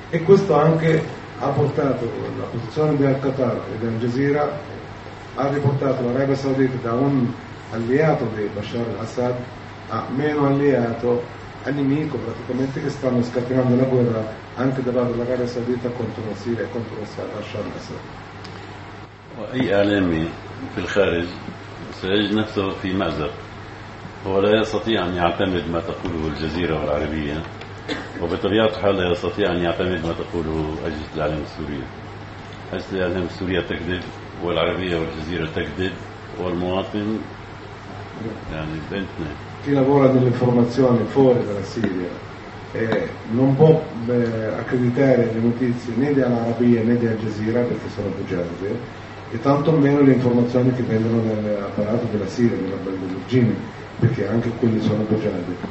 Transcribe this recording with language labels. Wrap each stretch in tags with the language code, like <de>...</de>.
<it>E questo anche ha portato la posizione di Al Qatar e di Al Jazeera, ha riportato l'Arabia Saudita da un alleato di Bashar al-Assad a meno alleato, a nemico praticamente, che stanno scatenando la guerra anche da parte dell'Arabia Saudita contro la Siria e contro Bashar al-Assad.</it> <ar>اي اعلامي في الخارج سيجد نفسه في مأزق، هو لا يستطيع ان يعتمد ما تقوله الجزيره العربيه، وبطبيعه الحال لا يستطيع ان يعتمد ما تقوله اجهزه الاعلام السوريه. اجهزه الاعلام السوريه تكذب، والعربية والجزيرة تكذب، والمواطن يعني بنتنا</ar> <it>chi lavora nell'informazione fuori dalla Siria non può accreditare le notizie né di Al-Arabiya né di Al-Jazeera perché sono bugiarde, e tanto meno le informazioni che vengono dall'apparato della Siria, della regime, perché anche quelli sono bugiarde.</it>